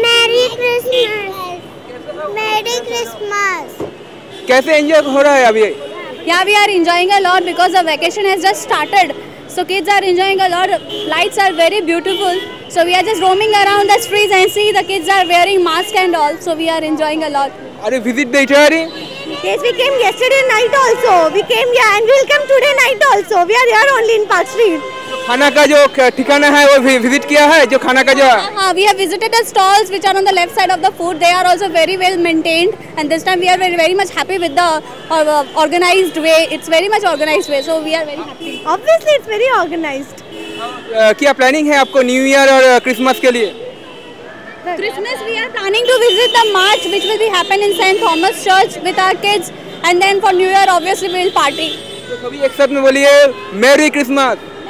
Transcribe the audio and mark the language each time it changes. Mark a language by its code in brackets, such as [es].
[en] Merry Christmas, merry Christmas. [hi] कैसे enjoy हो रहा है अभी? [en] Yeah we are enjoying a lot because the vacation has just started, so kids are enjoying a lot, lights are very beautiful, so we are just roaming around the streets and see the kids are wearing mask and all, so we are enjoying a lot. Are you visit the eatery? Yes, we came yesterday night also. We came here and we'll come today night also. We are here only in Park Street. [hi] खाना का जो ठिकाना है वो visit किया है, जो खाना का जो है? [en] हाँ, we have visited the stalls which are on the left side of the food. They are also very well maintained and this time we are very, very much happy with the organized way. It's very much organized way, so we are very happy. Obviously, it's very organized. [hi] क्या planning है आपको New Year और Christmas के लिए? [en] Christmas we are planning to visit the march which will be happen in St. Thomas Church with our kids and then for New Year obviously we will party. [hi] तो सभी एक साथ में बोलिए Merry Christmas.